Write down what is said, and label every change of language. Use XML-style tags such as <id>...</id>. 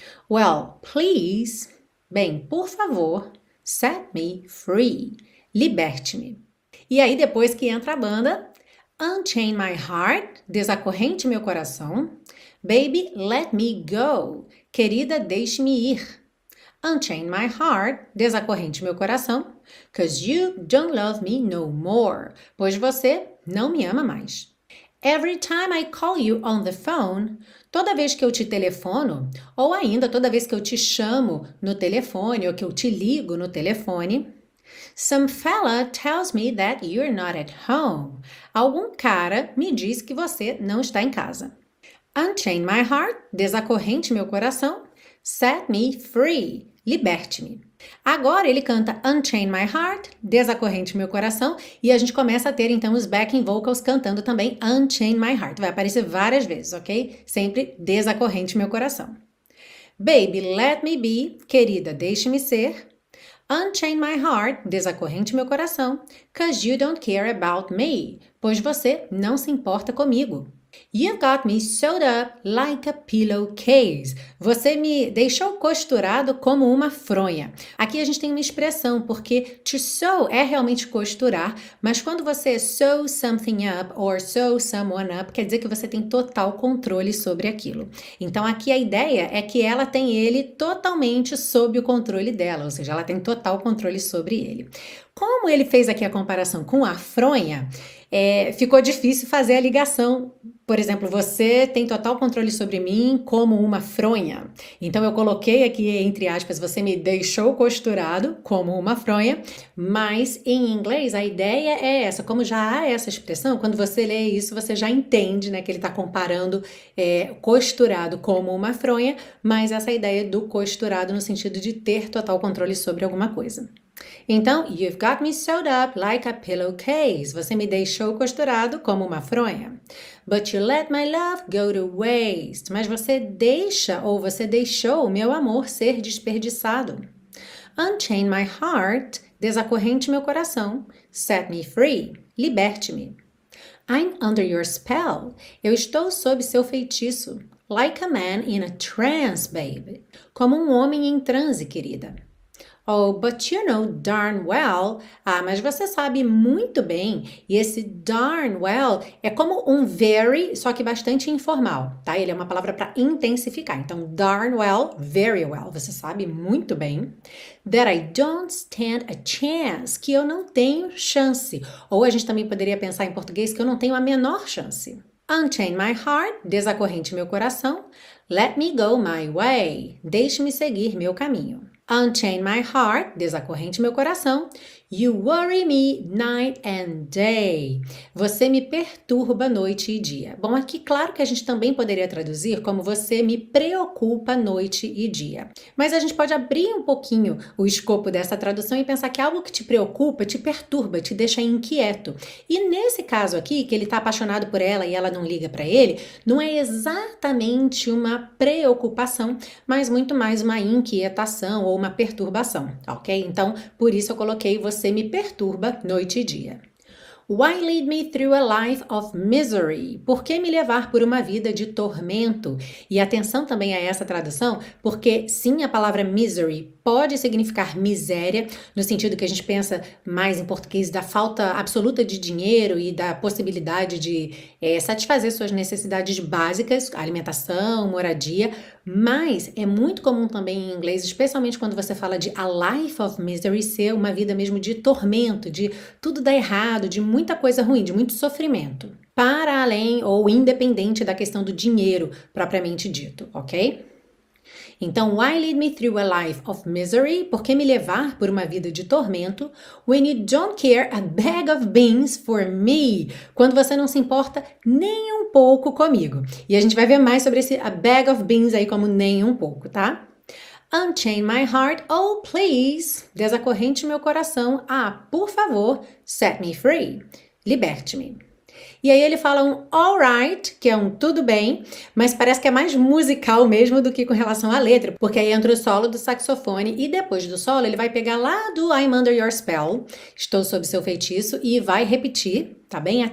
<en>Well, please.</en> <pt>Bem, por favor,</pt> <en>set me free.</en> <pt>Liberte-me. E aí, depois que entra a banda,</pt> <en>Unchain my heart,</en> <pt>desacorrente meu coração.</pt> <en>Baby, let me go.</en> <pt>Querida, deixe-me ir.</pt> <en>Unchain my heart,</en> <pt>desacorrente meu coração.</pt> <en>'Cause you don't love me no more.</en> <pt>Pois você não me ama mais.</pt> <en>Every time I call you on the phone,</en> <pt>toda vez que eu te telefono, ou ainda toda vez que eu te chamo no telefone ou que eu te ligo no telefone,</pt> <en>some fella tells me that you're not at home.</en> <pt>Algum cara me diz que você não está em casa.</pt> <en>Unchain my heart,</en> <pt>desacorrente meu coração.</pt> <en>Set me free,</en> <pt>liberte-me. Agora ele canta</pt> <en>Unchain my heart,</en> <pt>desacorrente meu coração. E a gente começa a ter então os backing vocals cantando também</pt> <en>Unchain my heart.</en> <pt>Vai aparecer várias vezes, ok? Sempre desacorrente meu coração.</pt> <en>Baby, let me be,</en> <pt>querida, deixe-me ser.</pt> <en>Unchain my heart,</en> <pt>desacorrente meu coração.</pt> <en>'Cause you don't care about me,</en> <pt>pois você não se importa comigo.</pt> <en>You've got me sewed up like a pillowcase.</en> <pt>Você me deixou costurado como uma fronha. Aqui a gente tem uma expressão, porque to sew é realmente costurar, mas quando você</pt> <en>sew something up or sew someone up,</en> <pt>quer dizer que você tem total controle sobre aquilo. Então aqui a ideia é que ela tem ele totalmente sob o controle dela, ou seja, ela tem total controle sobre ele. Como ele fez aqui a comparação com a fronha, ficou difícil fazer a ligação. Por exemplo, você tem total controle sobre mim como uma fronha. Então eu coloquei aqui entre aspas, você me deixou costurado como uma fronha, mas em inglês a ideia é essa. Como já há essa expressão, quando você lê isso, você já entende, né, que ele está comparando costurado como uma fronha, mas essa ideia do costurado no sentido de ter total controle sobre alguma coisa.</pt> <en>Então, you've got me sewed up like a pillowcase.</en> <pt>Você me deixou costurado como uma fronha.</pt> <en>But you let my love go to waste.</en> <pt>Mas você deixa ou você deixou o meu amor ser desperdiçado.</pt> <en>Unchain my heart,</en> <pt>desacorrente meu coração.</pt> <en>Set me free,</en> <pt>liberte-me.</pt> <en>I'm under your spell.</en> <pt>Eu estou sob seu feitiço.</pt> <en>Like a man in a trance, baby.</en> <pt>Como um homem em transe, querida.</pt> <en>Oh, but you know darn well.</en> <pt>Ah, mas você sabe muito bem. E esse darn well é como um very, só que bastante informal, tá? Ele é uma palavra para intensificar. Então, darn well, very well. Você sabe muito bem.</pt> <en>That I don't stand a chance.</en> <pt>Que eu não tenho chance. Ou a gente também poderia pensar em português que eu não tenho a menor chance.</pt> <en>Unchain my heart,</en> <pt>desacorrente meu coração.</pt> <en>Let me go my way.</en> <pt>Deixe-me seguir meu caminho.</pt> <en>Unchain my heart, desacorrente meu coração. You worry me night and day.</en> <pt>Você me perturba noite e dia. Bom, aqui claro que a gente também poderia traduzir como você me preocupa noite e dia. Mas a gente pode abrir um pouquinho o escopo dessa tradução e pensar que algo que te preocupa, te perturba, te deixa inquieto. E nesse caso aqui, que ele está apaixonado por ela e ela não liga para ele, não é exatamente uma preocupação, mas muito mais uma inquietação ou uma perturbação, ok? Então, por isso eu coloquei você me perturba noite e dia.</pt> <en>Why lead me through a life of misery?</en> <pt>Por que me levar por uma vida de tormento? E atenção também a essa tradução, porque sim, a palavra misery pode significar miséria, no sentido que a gente pensa mais em português da falta absoluta de dinheiro e da possibilidade de satisfazer suas necessidades básicas, alimentação, moradia. Mas é muito comum também em inglês, especialmente quando você fala de</pt> <en>a life of misery,</en> <pt>ser uma vida mesmo de tormento, de tudo dar errado, de muita coisa ruim, de muito sofrimento. Para além ou independente da questão do dinheiro propriamente dito, ok?</pt> <en>Então, why lead me through a life of misery?</en> <pt>Por que me levar por uma vida de tormento?</pt> <en>When you don't care a bag of beans for me?</en> <pt>Quando você não se importa nem um pouco comigo. E a gente vai ver mais sobre esse</pt> <en>a bag of beans</en> <pt>aí como nem um pouco, tá?</pt> <en>Unchain my heart, oh please.</en> <pt>Desacorrente meu coração. Ah, por favor,</pt> <en>set me free.</en> <pt>Liberte-me. E aí, ele fala um alright, que é um tudo bem, mas parece que é mais musical mesmo do que com relação à letra, porque aí entra o solo do saxofone e depois do solo ele vai pegar lá do</pt> <en>I'm under your spell,</en> <pt>estou sob seu feitiço, e vai repetir, tá bem?</pt>